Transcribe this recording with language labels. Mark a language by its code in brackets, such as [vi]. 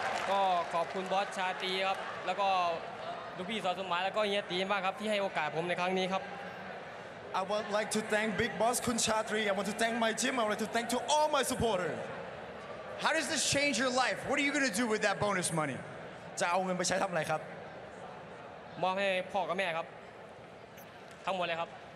[th] ก็ขอบคุณบอสชาติครับแล้วก็ลูกพี่สอนสมัยแล้วก็เฮียตีมากครับที่ให้โอกาสผมในครั้งนี้ครับ [en] I would like to thank Big Boss Khun Chatri. I want to thank my gym. I want to thank to all my supporters. How does this change your life? What are you going to do with that bonus money? [th] จะเอาเงินไปใช้ทำอะไรครับ มอบให้พ่อกับแม่ครับ ทั้งหมดเลยครับ